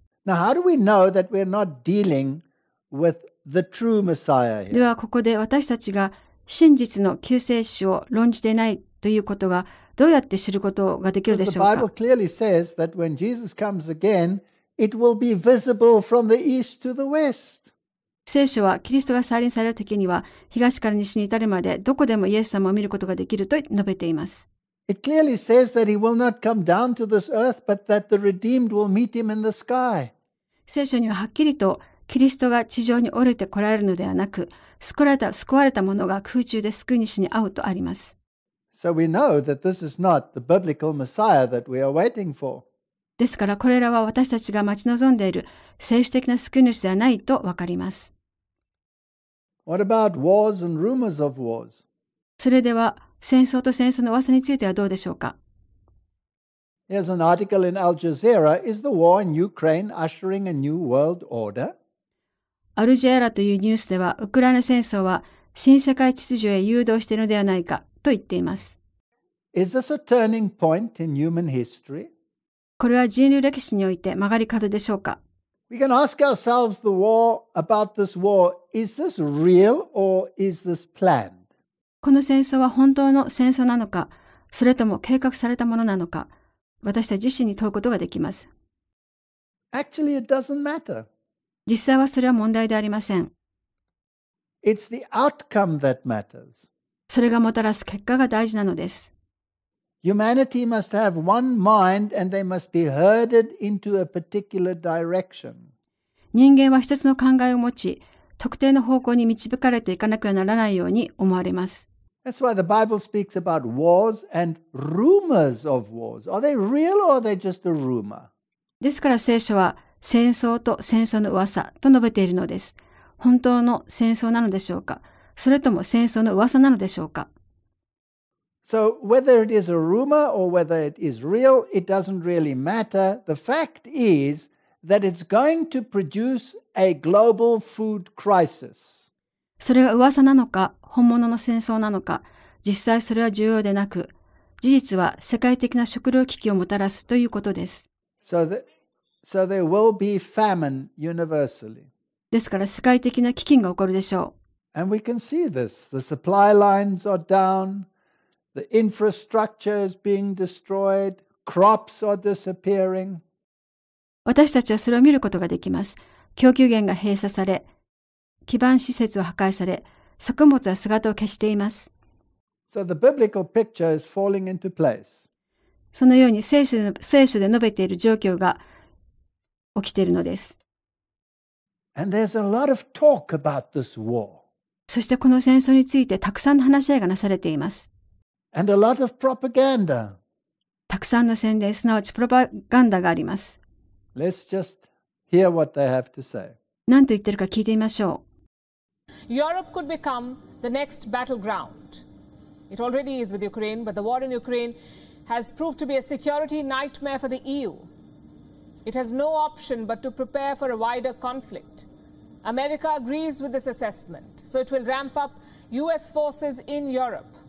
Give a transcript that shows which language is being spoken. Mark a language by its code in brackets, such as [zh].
[en] Now, how do we know that we're not dealing with the true Messiah here? [ja] では、ここで私たちが真実の救世主を論じていないということが、どうやって知ることができるでしょうか。 [en] The Bible clearly says that when Jesus comes again, it will be visible from the east to the west. [ja] 聖書はキリストが再臨されるときには、東から西に至るまでどこでもイエス様を見ることができると述べています。 [en] It clearly says that he will not come down to this earth, but that the redeemed will meet him in the sky. [ja] 聖書にははっきりとキリストが地上に降りて来られるのではなく、救われた者が空中で救い主に会うとあります。 [en] So we know that this is not the biblical Messiah that we are waiting for. [ja] ですからこれらは私たちが待ち望んでいる聖書的な救い主ではないとわかります。 [en] What about wars and rumors of wars? [ja] それでは戦争と戦争の噂についてはどうでしょうか。 [en] Here's an article in Al Jazeera. Is the war in Ukraine ushering a new world order? [ja] アルジェーラというニュースでは、ウクライナ戦争は新世界秩序へ誘導しているのではないか。と言っています。 [en] Is this a turning point in human history? [ja] これは人類歴史において曲がり角でしょうか? [en] We can ask ourselves the war about this war. Is this real or is this planned? [ja] この戦争は本当の戦争なのか、それとも計画されたものなのか、私たち自身に問うことができます。 [en] Actually, it doesn't matter. [ja] 実際はそれは問題でありません。 [en] It's the outcome that matters. [ja] それがもたらす結果が大事なのです。 [en] Humanity must have one mind and they must be herded into a particular direction. [ja] 人間は一つの考えを持ち、特定の方向に導かれていかなくてはならないように思われます。 [en] That's why the Bible speaks about wars and rumors of wars. Are they real or are they just a rumor? [ja] ですから聖書は戦争と戦争の噂と述べているのです。本当の戦争なのでしょうか？それとも戦争の噂なのでしょうか？ [en] So whether it is a rumor or whether it is real, it doesn't really matter. The fact is that it's going to produce a global food crisis. [ja] それが噂なのか、本物の戦争なのか、実際それは重要でなく、事実は世界的な食糧危機をもたらすということです。 [en] So there will be famine universally. [ja] ですから世界的な飢饉が起こるでしょう。 [en] And we can see this. The supply lines are down. The infrastructure is being destroyed. Crops are disappearing. [ja] 私たちはそれを見ることができます。供給源が閉鎖され、基盤施設は破壊され、作物は姿を消しています。 [en] So the biblical picture is falling into place. [ja] そのように聖書で述べている状況が起きているのです。 [en] And there's a lot of talk about this war. [ja] そしてこの戦争についてたくさんの話し合いがなされています。 [en] And a lot of propaganda. [ja] たくさんの宣伝、すなわちプロパガンダがあります。 [en] Let's just hear what they have to say. [ja] 何と言ってるか聞いてみましょう。 [en] Europe could become the next battleground. It already is with Ukraine, but the war in Ukraine has proved to be a security nightmare for the EU. It has no option but to prepare for a wider conflict. America agrees with this assessment, so it will ramp up US forces in Europe.